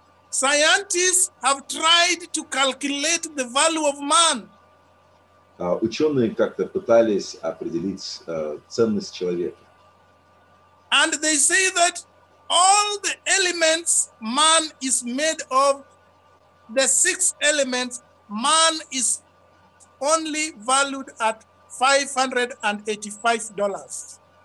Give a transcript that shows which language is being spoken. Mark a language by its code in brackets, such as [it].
[en] Scientists have tried to calculate the value of man. [ru] Ученые как-то пытались определить ценность человека. [en] And they say that all the elements man is made of, the six elements, man is only valued at $585.